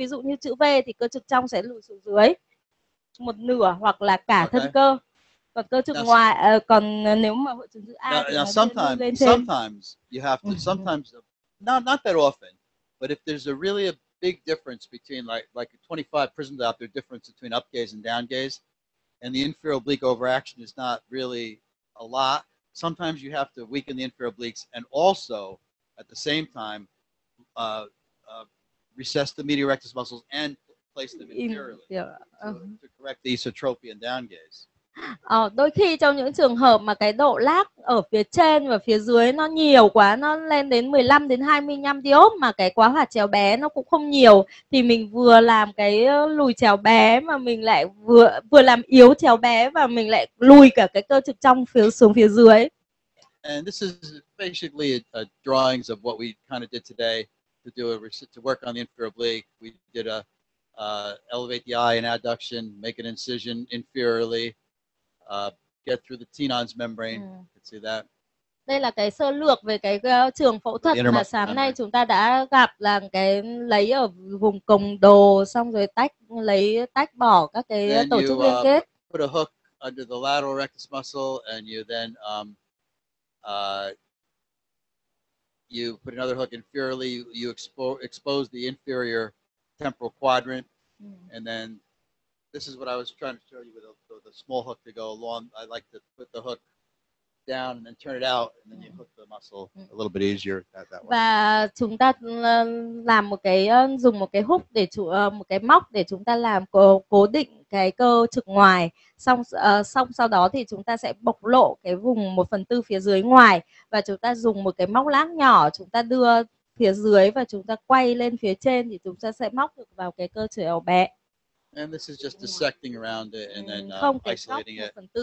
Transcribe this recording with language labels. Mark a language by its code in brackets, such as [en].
[vi] Ví dụ như chữ V thì cơ trực trong sẽ lùi xuống dưới một nửa hoặc là cả thân cơ. Còn cơ trực ngoài, còn nếu mà hội chứng chữ A thì nó sẽ lên trên. [en] Sometimes you have to, sometimes, not that often, but if there's a really a big difference between like a 25 prism diopter difference between up gaze and down gaze, and the inferior oblique overaction is not really a lot, sometimes you have to weaken the inferior obliques and also at the same time recess the medial rectus muscles and place them inferiorly to correct the esotropia and down gaze. [vi] Đôi khi trong những trường hợp mà cái độ lác ở phía trên và phía dưới nó nhiều quá, nó lên đến 15 đến 25 diop mà cái quá hoạt chéo bé nó cũng không nhiều, thì mình vừa làm cái lùi chéo bé mà mình lại vừa làm yếu chéo bé và mình lại lùi cả cái cơ trực trong xuống phía dưới. [en] And this is basically a drawings of what we kind of did today to work on the inferior oblique. We did a elevate the eye in adduction, make an incision inferiorly. Get through the tenons membrane. Let's see that. [vi] Đây là cái sơ lược về cái trường phẫu thuật mà sáng nay chúng ta đã gặp, là cái lấy ở vùng cồng đồ xong rồi tách bỏ các cái [en] then [vi] tổ chức liên kết. [en] Put a hook under the lateral rectus muscle and you then you put another hook inferiorly. You expose the inferior temporal quadrant and then this is what I was trying to show you with a small hook to go along. I like to put the hook down and then turn it out, and then you hook the muscle a little bit easier that way. [vi] Và chúng ta làm một cái dùng một cái hook để một cái móc để chúng ta làm cố định cái cơ trực ngoài. Xong sau đó thì chúng ta sẽ bộc lộ cái vùng 1/4 phía dưới ngoài và chúng ta dùng một cái móc lác nhỏ chúng ta đưa phía dưới và chúng ta quay lên phía trên thì chúng ta sẽ móc được vào cái cơ chéo bé. [en] And this is just dissecting around it and then isolating it.